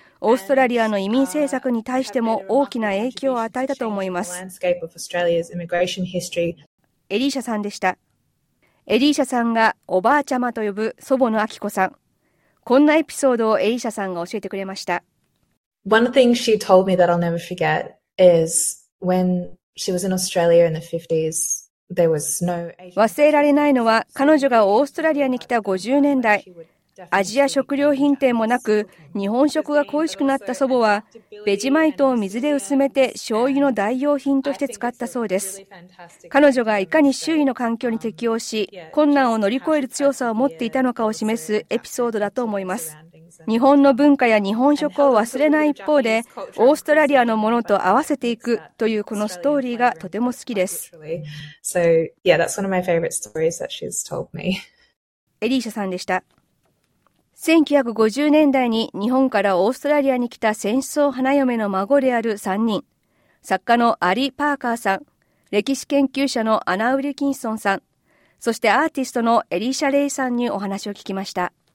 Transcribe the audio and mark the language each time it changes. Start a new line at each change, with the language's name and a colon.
Japanese: オーストラリアの移民政策に対しても大きな影響を与えたと思います。エリーシャさんでした。エリーシャさんがおばあちゃまと呼ぶ祖母のアキコさん、こんなエピソードをエリーシャさんが教えてくれました。
English: One thing she told me that I'll never forget is when she was in Australia in the 50s, there was no...
Japanese: 忘れられないのは、彼女がオーストラリアに来た50年代、アジア食料品店もなく日本食が恋しくなった祖母はベジマイトを水で薄めて醤油の代用品として使ったそうです。彼女がいかに周囲の環境に適応し困難を乗り越える強さを持っていたのかを示すエピソードだと思います。日本の文化や日本食を忘れない一方でオーストラリアのものと合わせていくというこのストーリーがとても好きです。
English: So, yeah, that's one of my favorite stories that she's told me.
Japanese: エリーシャさんでした。1950年代に日本からオーストラリアに来た戦争花嫁の孫である3人、作家のアリ・パーカーさん、歴史研究者のアナ・ウィルキンソンさん、そしてアーティストのエリーシャ・レイさんにお話を聞きました。